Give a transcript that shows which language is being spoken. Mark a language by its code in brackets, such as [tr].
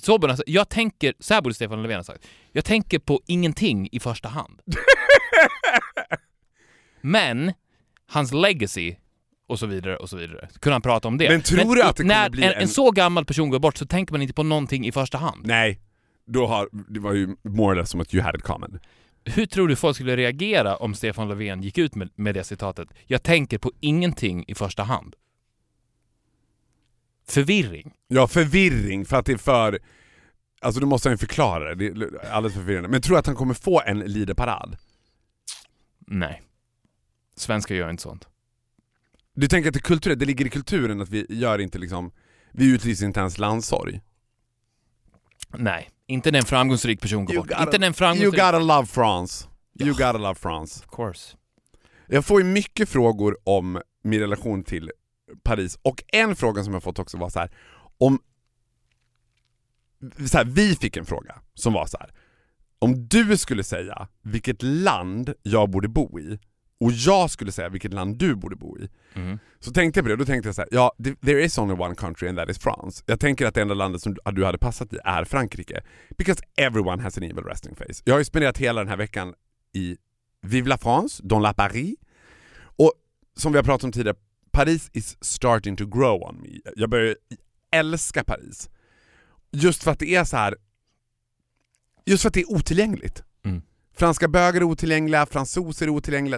[sv] Så borde jag tänker, så här borde Stefan Löfven ha sagt. Jag tänker på ingenting i första hand. Men hans legacy och så vidare och så vidare. Kunde han prata om det? Men tror du att det kommer bli en så gammal person går bort så tänker man inte på någonting i första hand? Nej. Det var ju [en] more or less [sv] som att [en] you had it coming. [sv] Hur tror du folk skulle reagera om Stefan Löfven gick ut med det citatet? Jag tänker på ingenting i första hand. Förvirring. Ja, förvirring. För att det är för... Alltså du måste ju förklara det. Det är alldeles förvirrande. Men tror du att han kommer få en liderparad? Nej. Svenskar gör inte sånt. Du tänker att det, kulturen, det ligger i kulturen att vi gör inte liksom, vi utlyser inte ens landsorg. Nej, inte när en framgångsrik person går bort. Inte en framgångsrik... [en] You gotta love France. You gotta love France. Of course. [sv] Jag får ju mycket frågor om min relation till Paris. Och en fråga som jag fått också var så här, om så här, vi fick en fråga som var så här, om du skulle säga vilket land jag borde bo i och jag skulle säga vilket land du borde bo i. Mm. Så tänkte jag på det. Då tänkte jag så här. [en] Ja, there is only one country and that is France. [sv] Jag tänker att det enda landet som du hade passat i är Frankrike. [en] Because everyone has an evil resting face. [sv] Jag har ju spenderat hela den här veckan i [fr] Vive la France, dans la Paris. [sv] Och som vi har pratat om tidigare, [en] Paris is starting to grow on me. [sv] Jag börjar älska Paris. Just för att det är så här. Just för att det är otillgängligt. Franska böger är otillgängliga, fransoser är otillgängliga.